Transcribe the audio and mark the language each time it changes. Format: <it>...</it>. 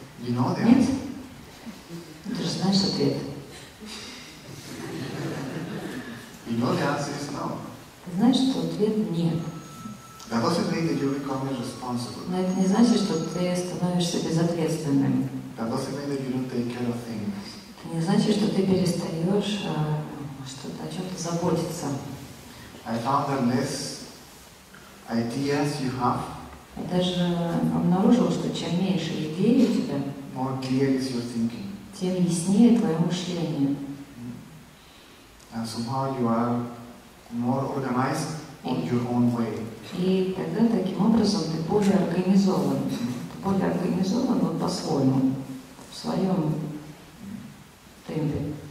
<en>You know,</en> <ru>нет? Ты же знаешь ответ.</ru> <en>You know the answer is no.</en> <ru>Ты знаешь, что ответ нет.</ru> <en>That doesn't mean that you become irresponsible.</en> <ru>Но это не значит, что ты становишься безответственным.</ru> <en>That doesn't mean that you don't take care of things.</en> <ru>Это не значит, что ты перестаешь что-то, о чем-то заботиться.</ru> <en>I found that less ideas you have.</en> <ru>Я даже обнаружил, что чем меньше идей у тебя,</ru> <en>more clear is your thinking.</en> <ru>Тем яснее твое мышление.</ru> <en>And somehow you are more organized on your own way.</en> <ru>И тогда таким образом ты более организован. Ты более организован вот по-своему, в своем темпе.</ru>